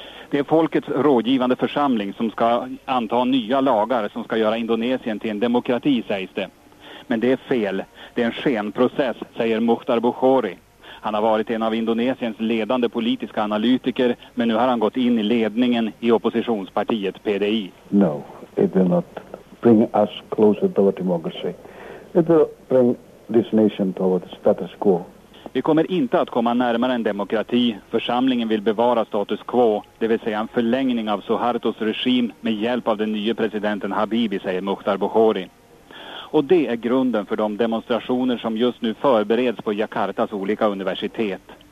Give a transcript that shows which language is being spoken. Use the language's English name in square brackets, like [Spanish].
[Swedish] Det är folkets rådgivande församling som ska anta nya lagar som ska göra Indonesien till en demokrati, sägs det. Men det är fel. Det är en skenprocess, säger Mukhtar Bukhari. Han har varit en av Indonesiens ledande politiska analytiker, men nu har han gått in i ledningen i oppositionspartiet PDI. [English] No, it will not bring us closer to our democracy. It will bring this nation to our status quo. [Swedish] Vi kommer inte att komma närmare en demokrati. Församlingen vill bevara status quo, det vill säga en förlängning av Suhartos regim med hjälp av den nya presidenten Habibi, säger Mukhtar Bukhari. Och det är grunden för de demonstrationer som just nu förbereds på Jakartas olika universitet.